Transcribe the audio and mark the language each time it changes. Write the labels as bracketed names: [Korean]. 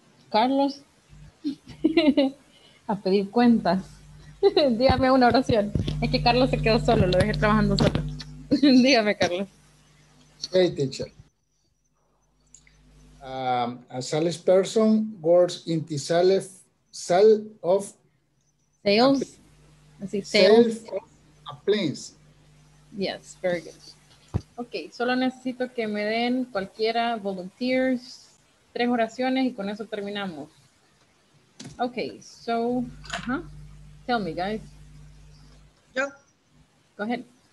[Spanish] Carlos? A pedir cuentas. Dígame una oración. Es que Carlos se quedó solo, lo dejé trabajando solo. Dígame, Carlos. [English] Hey, teacher. A sales person works in the sales of planes. Yes, very good. [Spanish] Okay, solo necesito que me den cualquiera, volunteers, tres oraciones y con eso terminamos. [English] Okay, so, tell me, guys. [Spanish] Yo. [English] Go ahead.